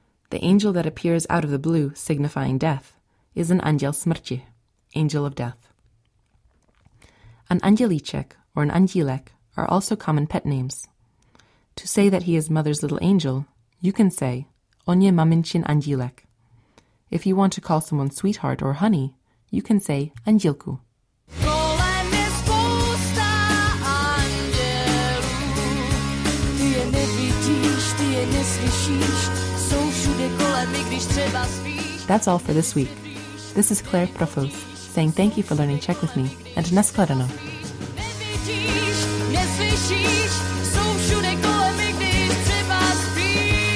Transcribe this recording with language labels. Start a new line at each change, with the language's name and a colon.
English: The angel that appears out of the blue, signifying death, is an angel smrti, angel of death. An andělíček or an andílek are also common pet names. To say that he is mother's little angel, you can say,
Czech: on je maminčin andílek.
English: If you want to call someone sweetheart or honey, you can say andílku.
Czech: Kolem je spousta andělů. Ty je nevidíš, ty je neslyšíš. Jsou všude kolem, i když třeba spíš.
English: That's all for this week. This is Claire Profos saying thank you for learning Czech with me and naschledanou.
Czech: Nevidíš, neslyšíš. Jsou všude kolem, i když třeba spíš.